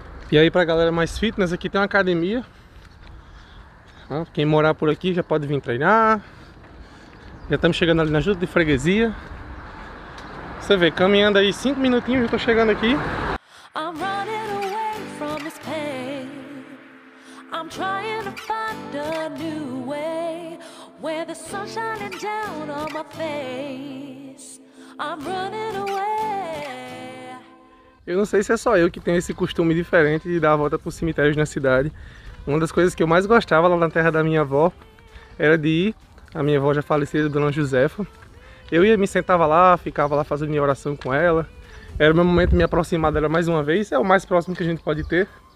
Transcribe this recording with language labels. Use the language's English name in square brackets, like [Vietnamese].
[Portuguese] E aí, pra galera mais fitness, aqui tem uma academia. Quem morar por aqui já pode vir treinar. Já estamos chegando ali na junta de freguesia. Você vê, caminhando aí 5 minutinhos, já tô chegando aqui. [English] I'm running away from this pain. I'm trying to find a new way. Where the sun's shining down on my face. I'm running away. [Portuguese] Eu não sei se é só eu que tenho esse costume diferente de dar a volta por cemitérios na cidade. Uma das coisas que eu mais gostava lá na terra da minha avó era de ir, a minha avó já falecida, Dona Josefa. Eu ia, me sentava lá, ficava lá fazendo minha oração com ela. Era o meu momento de me aproximar dela mais uma vez, é o mais próximo que a gente pode ter.